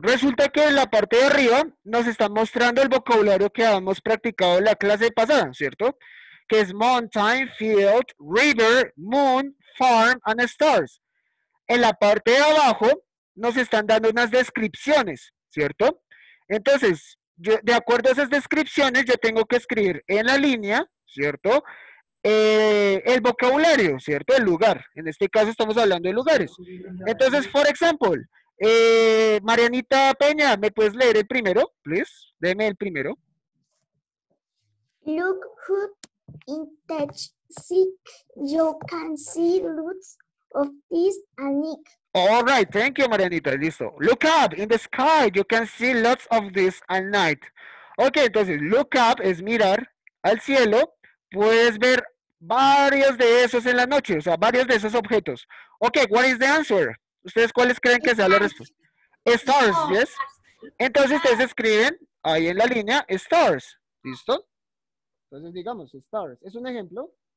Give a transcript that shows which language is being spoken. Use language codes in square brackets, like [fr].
[es] Resulta que en la parte de arriba nos está mostrando el vocabulario que habíamos practicado en la clase pasada, ¿cierto? [en] Que es mountain, field, river, moon, farm, and stars. [es] En la parte de abajo nos están dando unas descripciones, ¿cierto? Entonces, yo, de acuerdo a esas descripciones, yo tengo que escribir en la línea, ¿cierto? El vocabulario, ¿cierto? El lugar. En este caso estamos hablando de lugares. Entonces, [en] for example, [es] Marianita Peña, ¿me puedes leer el primero, please? Deme el primero. [en] Look up in touch sick, you can see roots. Of this anik. All right, thank you, Marianita. Listo. Look up in the sky. You can see lots of this at night. [es] Ok, entonces, [en] look up [es] es mirar al cielo. Puedes ver varios de esos en la noche, o sea, varios de esos objetos. [en] Ok, what is the answer? [es] ¿Ustedes cuáles creen que sea la respuesta? Stars, no. Yes. Entonces, ustedes escriben ahí en la línea stars. ¿Listo? Entonces, digamos, stars. Es un ejemplo.